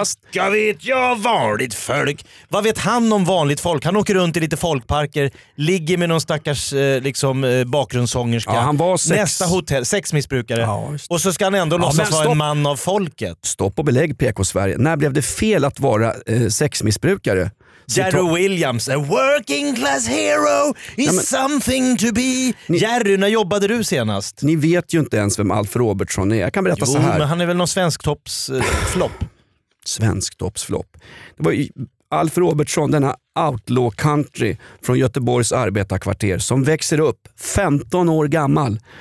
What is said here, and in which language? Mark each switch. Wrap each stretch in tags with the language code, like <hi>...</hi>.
<sv>Jag vet jag vanligt folk. Vad vet han om vanligt folk? Han åker runt i lite folkparker, ligger med någon stackars liksom bakgrundssångerska. Ja, han var nästa hotell, sexmissbrukare. Ja, och så ska han ändå låtsas vara en man av folket. Stopp och belägg, PK-Sverige. När blev det fel att vara sexmissbrukare?</sv> <en>Jerry Williams, a working class hero is something to be.</en> <sv>Jerry, när jobbade du senast? Ni vet ju inte ens vem Alf Robertson är. Jag kan berätta jo, så här. Men han är väl någon svensk toppsflopp. Svensk toppsflopp. Det var Alf Robertson, denna outlaw country från Göteborgs arbetarkvarter som växer upp 15 år gammal.</sv>